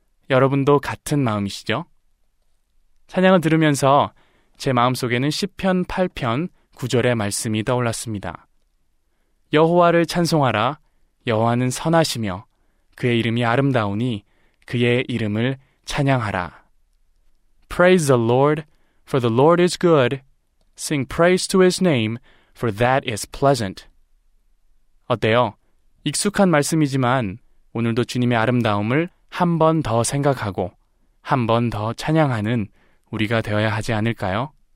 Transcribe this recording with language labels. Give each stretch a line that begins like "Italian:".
Korean: 여러분도 같은 마음이시죠? 찬양을 들으면서 제 마음속에는 시편 8편 9절의 말씀이 떠올랐습니다. 여호와를 찬송하라. 여호와는 선하시며 그의 이름이 아름다우니 그의 이름을 찬양하라.
English: Praise the Lord, for the Lord is good. Sing praise to his name, for that is pleasant.
Korean: 어때요? 익숙한 말씀이지만 오늘도 주님의 아름다움을 한 번 더 생각하고 한 번 더 찬양하는 우리가 되어야 하지 않을까요?